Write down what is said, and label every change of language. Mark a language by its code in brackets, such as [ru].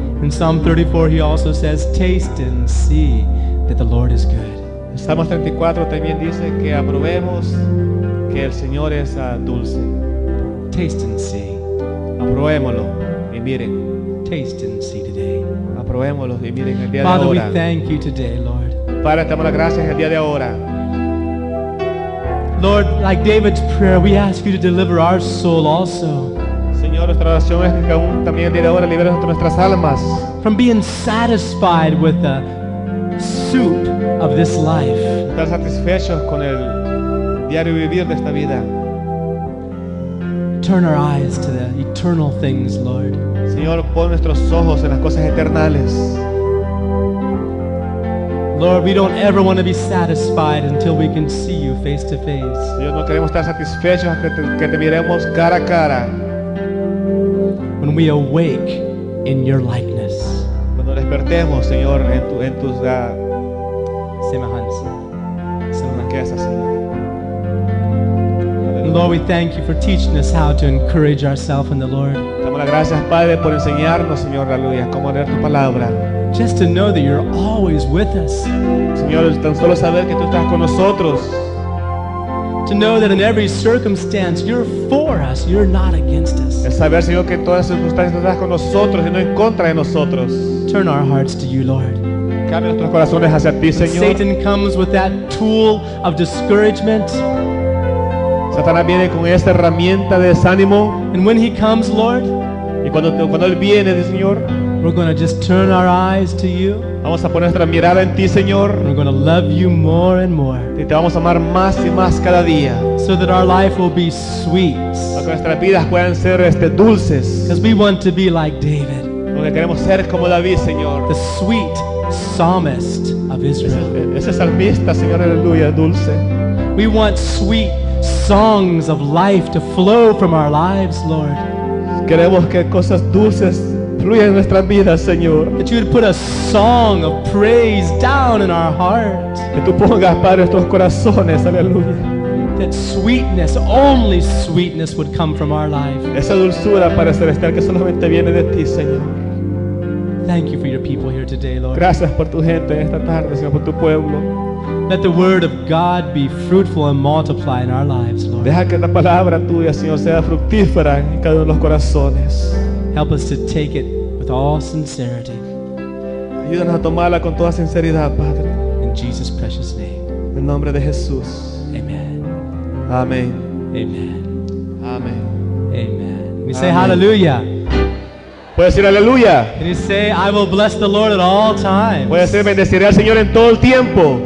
[en] Psalm 34, he also says, taste and see that the Lord is good. [es] Salmos 34 también dice que aprobemos que el Señor es dulce. [en] Taste and see. [es] Aprobémoslo y miren. [en] Taste and see today. [es] Aprobémoslo y miren el día [en] Father, [es] de ahora. [en] Father, we thank you today, Lord. [es] Padre, te damos las gracias el día de ahora. [en] Lord, like David's prayer, we ask you to deliver our soul also. [es] Señor, nuestra oración es que aún también el día de ahora liberes nuestras almas. [en] From being satisfied with the soup of this life. [es] Estar satisfechos con el diario vivir de esta vida. [en] Turn our eyes to the eternal things, Lord. [es] Señor, pon nuestros ojos en las cosas eternales. [en] Lord, we don't ever want to be satisfied until we can see you face to face. [es] Señor, no queremos estar satisfechos hasta que te miremos cara a cara. [en] When we awake in your likeness. [es] Cuando despertemos, Señor, en tu semejanza. Semejanza, Señor. [en] Lord, we thank you for teaching us how to encourage ourselves in the Lord. [es] Damos las gracias, Padre, por enseñarnos, Señor, aleluya, cómo leer tu palabra. [en] Just to know that you're always with us. [es] Señor, tan solo saber que tú estás con nosotros. [en] To know that in every circumstance you're for us, you're not against us. [es] El saber, Señor, que en todas las circunstancias estás con nosotros y no en contra de nosotros. [en] Turn our hearts to you, Lord. [es] Cambia nuestros corazones hacia ti, Señor. [en] When Satan comes with that tool of discouragement. [es] Satanás viene con esta herramienta de desánimo. [en] And when he comes, Lord, [es] y cuando él viene, Señor, [en] we're going to just turn our eyes to you. [es] Vamos a poner nuestra mirada en ti, Señor. [en] We're going to love you more and more. [es] Y te vamos a amar más y más cada día. [en] So that our life will be sweet. [es] Para que nuestras vidas puedan ser dulces. [en] Because we want to be like David. [es] Porque queremos ser como David, Señor. [en] The sweet psalmist of Israel. [es] Ese salmista, Señor, aleluya, dulce. [en] We want sweet songs of life to flow from our lives, Lord. [es] Queremos que cosas dulces fluyan en nuestras vidas, Señor. [en] That you would put a song of praise down in our heart. [es] Que tú pongas para nuestros corazones, aleluya. [en] That sweetness, only sweetness would come from our life. [es] Esa dulzura para celestial que solamente viene de ti, Señor. [en] Thank you for your people here today, Lord. [es] Gracias por tu gente esta tarde, Señor, por tu pueblo. [en] Let the word of God be fruitful and multiply in our lives, Lord. [es] Deja que la palabra tuya, Señor, sea fructífera en cada uno de los corazones. [en] Help us to take it with all sincerity. [es] Ayúdanos a tomarla con toda sinceridad, Padre. [en] In Jesus' precious name. [es] En nombre de Jesús. [en] Amen. [es] Amén. [en] Amen. [es] Amén. [en] Amen. Can you say Amen. Hallelujah? [es] Puedes decir aleluya. [en] Can you say I will bless the Lord at all times? [es] Voy a decir bendeciré al Señor en todo el tiempo.